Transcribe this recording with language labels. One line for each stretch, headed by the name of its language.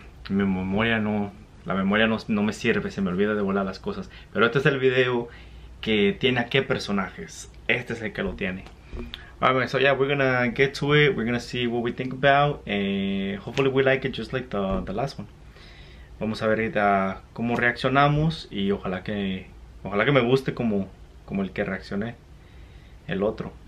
Spanish: Mi memoria no, la memoria no me sirve, se me olvida de volar las cosas. Pero este es el video que tiene a qué personajes. Este es el que lo tiene.
English: Alright, man, so yeah, we're gonna get to it. We're gonna see what we think about, and hopefully we like it just like the last one.
Spanish: Vamos a ver ahorita cómo reaccionamos y ojalá que me guste como el que reaccioné el otro.